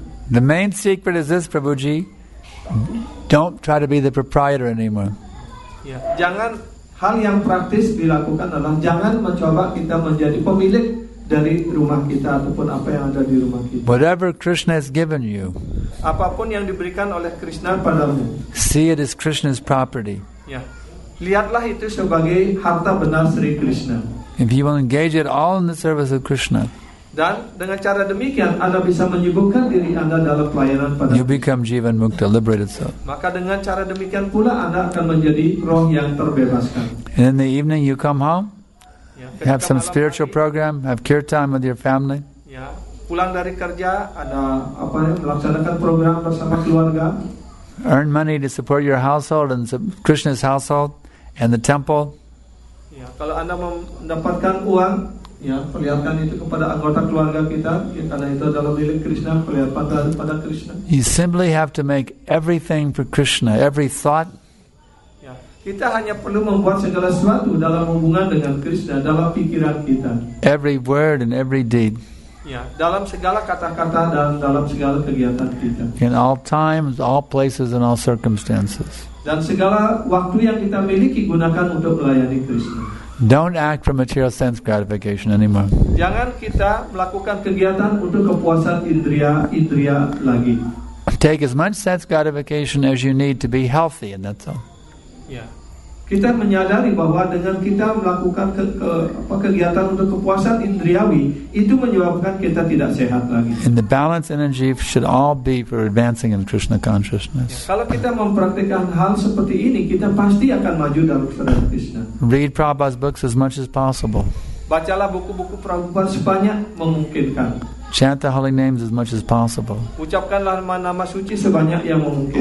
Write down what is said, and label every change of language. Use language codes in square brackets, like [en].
[en] The main secret is this, Prabhuji. Don't try to be the proprietor anymore. [id] Jangan hal yang praktis dilakukan adalah jangan mencoba kita menjadi pemilik dari rumah kita ataupun apa yang ada di rumah kita. [en] Whatever Krishna has given you. [id] Apapun yang diberikan oleh Krishna padamu. [en] See it as Krishna's property. [id] Lihatlah itu sebagai harta benar Sri Krishna. [en] If you will engage it all in the service of Krishna. [id] Dan dengan cara demikian Anda bisa menyibukkan diri Anda dalam pelayanan pada [en] You become jivan mukta, liberated soul. [id] Maka dengan cara demikian pula Anda akan menjadi roh yang terbebaskan. [en] And in the evening you come home. Have some spiritual hari, program, have kirtan with your family. [id] Pulang dari kerja ada apa melaksanakan program bersama keluarga. [en] Earn money to support your household and Krishna's household and the temple. [id] Kalau Anda mendapatkan uang perlihatkan itu kepada anggota keluarga kita, karena itu adalah milik Krishna, perlihatkan kepada Krishna. [en] You simply have to make everything for Krishna, every thought. [id] Kita hanya perlu membuat segala sesuatu dalam hubungan dengan Krishna, dalam pikiran kita. [en] Every word and every deed. [id] Dalam segala kata-kata dan dalam segala kegiatan kita. [en] In all times, all places and all circumstances. [id] Dan segala waktu yang kita miliki gunakan untuk melayani Krishna. [en] Don't act for material sense gratification anymore. [id] Jangan kita melakukan kegiatan untuk kepuasan indria-indria lagi. [en] Take as much sense gratification as you need to be healthy, and that's all. [id] Kita menyadari bahwa dengan kita melakukan kegiatan untuk kepuasan indriawi itu menyebabkan kita tidak sehat lagi. [en] And the balance energy should all be for advancing in Krishna consciousness. [id] Kalau kita mempraktikkan hal seperti ini, kita pasti akan maju dalam kesadaran Krishna. [en] Read Prabhupada's books as much as possible. [id] Bacalah buku-buku Prabhupada sebanyak memungkinkan. [en] Chant the holy names as much as possible. [id] Ucapkanlah nama-nama suci sebanyak yang memungkinkan.